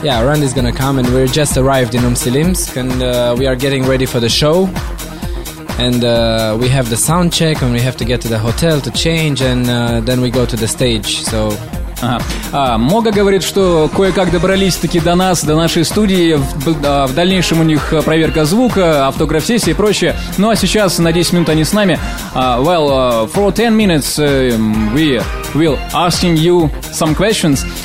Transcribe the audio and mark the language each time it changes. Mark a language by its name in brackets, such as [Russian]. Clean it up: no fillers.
[English] Yeah, Randy's gonna come and we're just arrived in Omstilimsk and we are getting ready for the show. And we have the sound check and we have to get to the hotel to change and then we go to the stage, so... Ага. [Russian] Мога говорит, что кое-как добрались таки до нас, до нашей студии. В дальнейшем у них проверка звука, автограф-сессия и прочее. Ну а сейчас на 10 минут они с нами. [English] Well, for 10 minutes we will asking you some questions.